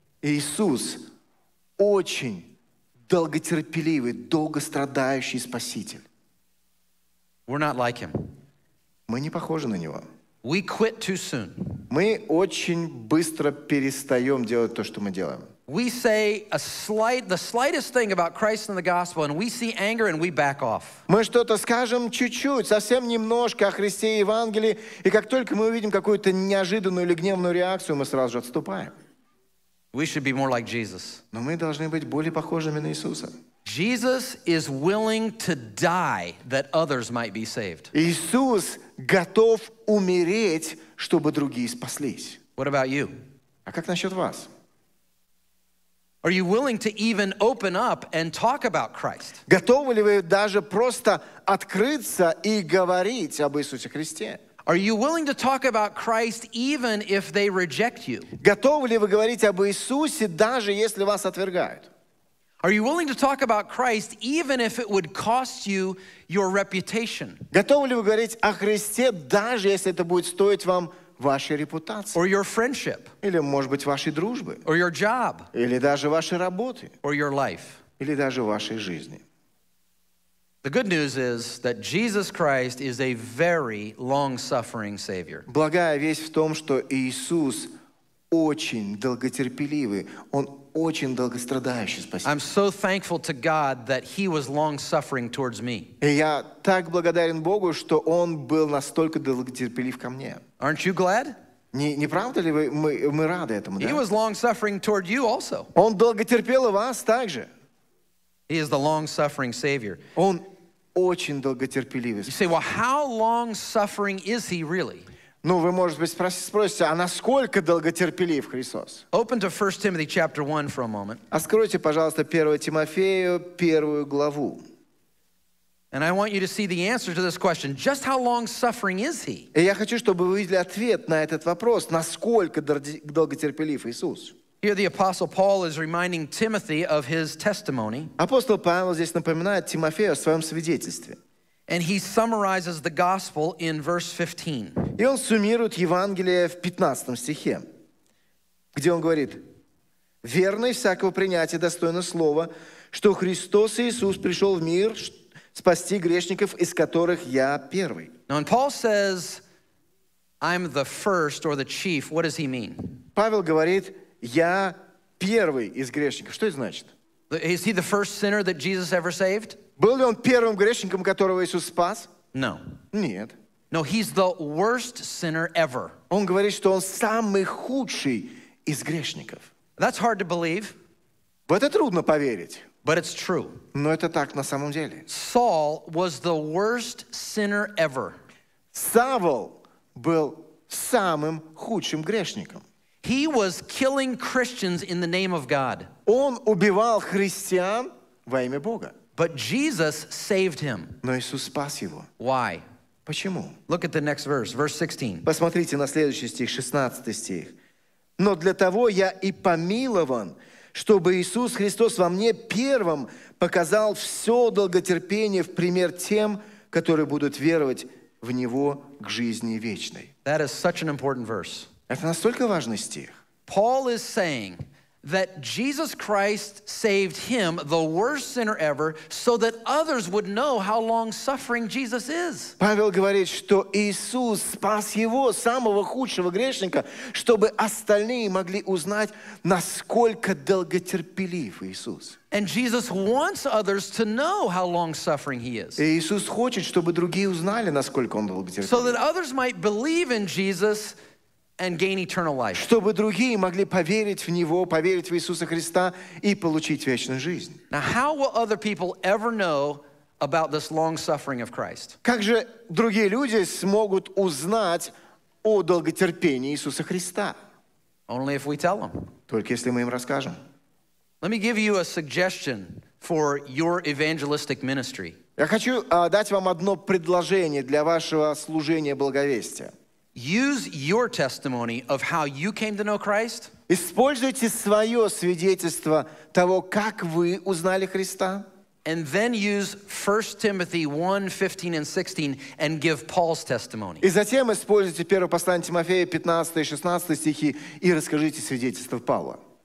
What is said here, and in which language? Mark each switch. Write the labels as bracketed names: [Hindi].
[Russian] Иисус очень долготерпеливый, долгострадающий Спаситель. [English] We're not like him. [Russian] Мы не похожи на него. [English] We quit too soon. [Russian] Мы очень быстро перестаем делать то, что мы делаем. [English] We say the slightest thing about Christ and the gospel, and we see anger and we back off. [Russian] Мы что-то скажем чуть-чуть, совсем немножко о Христе и Евангелии, и как только мы увидим какую-то неожиданную или гневную реакцию, мы сразу же отступаем. [English] We should be more like Jesus. [Russian] Но мы должны быть более похожими на Иисуса. [English] Jesus is willing to die that others might be saved. [Russian] Иисус готов умереть, чтобы другие спаслись. [English] What about you? [Russian] А как насчет вас? [English] Are you willing to even open up and talk about Christ? [Russian] Готовы ли вы даже просто открыться и говорить об Иисусе Христе? [English] Are you willing to talk about Christ even if they reject you? [Russian] Готовы ли вы говорить об Иисусе даже если вас отвергают? [English] Are you willing to talk about Christ even if it would cost you your reputation? [Russian] Готовы ли вы говорить о Христе даже если это будет стоить вам вашей репутации. [English] Or your friendship. [Russian] Или, может быть, вашей дружбы. [English] Or your job. [Russian] Или даже вашей работы. [English] Or your life. [Russian] Или даже вашей жизни. [English] The good news is that Jesus Christ is a very long-suffering Savior. [Russian] Благая весть в том, что Иисус очень долготерпеливый, Он очень долгострадающий Спаситель. [English] I'm so thankful to God that He was long-suffering towards me. [Russian] И я так благодарен Богу, что Он был настолько долготерпелив ко мне. [English] Aren't you glad? [Russian] Не правда ли мы рады этому, да? [English] He was long-suffering toward you also. [Russian] Он долготерпел и вас также. [English] He is the long-suffering Savior. [Russian] Он очень долготерпеливый. [English] You say, well, how long-suffering is He really? [Russian] Ну, вы, может быть, спросите, а насколько долготерпелив Христос? [English] Open to 1 Timothy chapter 1 for a moment. [Russian] Откройте, пожалуйста, 1 Тимофею, 1 главу. [English] And I want you to see the answer to this question. Just how long-suffering is he? [Russian] И я хочу, чтобы вы видели ответ на этот вопрос. Насколько долготерпелив Иисус? [English] Here the Apostle Paul is reminding Timothy of his testimony. [Russian] Апостол Павел здесь напоминает Тимофею о своем свидетельстве. [English] And he summarizes the gospel in verse 15. [Russian] И он суммирует Евангелие в 15 стихе, где он говорит, «Верно и всякого принятия достойно слова, что Христос Иисус пришел в мир спасти грешников, из которых я первый». [English] Now, when Paul says, I'm the first or the chief, what does he mean? [Russian] Павел говорит, я первый из грешников. Что это значит? [English] Is he the first sinner that Jesus ever saved? [Russian] Был ли он первым грешником, которого Иисус спас? [English] No. [Russian] Нет. [English] No, he's the worst sinner ever. [Russian] Он говорит, что он самый худший из грешников. [English] That's hard to believe. [Russian] В это трудно поверить. [English] But it's true. [Russian] Но это так на самом деле. [English] Saul was the worst sinner ever. [Russian] Савл был самым худшим грешником. [English] He was killing Christians in the name of God. [Russian] Он убивал христиан во имя Бога. [English] But Jesus saved him. [Russian] Но Иисус спас его. [English] Why? [Russian] Почему? [English] Look at the next verse, verse 16. [Russian] Посмотрите на следующий стих, 16 стих. Но для того я и помилован, чтобы Иисус Христос во мне первым показал все долготерпение в пример тем, которые будут веровать в Него к жизни вечной. [English] That is such an important verse. [Russian] Это настолько важный стих. [English] Paul is saying that Jesus Christ saved him, the worst sinner ever, so that others would know how long-suffering Jesus is. [Russian] Павел говорит, что Иисус спас его, самого худшего грешника, чтобы остальные могли узнать, насколько долготерпелив Иисус. [English] And Jesus wants others to know how long-suffering he is. [Russian] Иисус хочет, чтобы другие узнали, насколько он долготерпелив. [English] So that others might believe in Jesus and gain eternal life. [Russian] Чтобы другие могли поверить в него, поверить в Иисуса Христа и получить вечную жизнь. [English] Now, how will other people ever know about this long suffering of Christ? [Russian] Как же другие люди смогут узнать о долготерпении Иисуса Христа? [English] Only if we tell them. [Russian] Только если мы им расскажем. [English] Let me give you a suggestion for your evangelistic ministry. [Russian] Я хочу дать вам одно предложение для вашего служения благовестия. [English] Use your testimony of how you came to know Christ. [Russian] Используйте своё свидетельство того, как вы узнали Христа. [English] And then use 1 Timothy 1:15 and 16 and give Paul's testimony. [Russian] И затем используйте первое послание Тимофея 15 и 16 стихи и расскажите свидетельство Павла.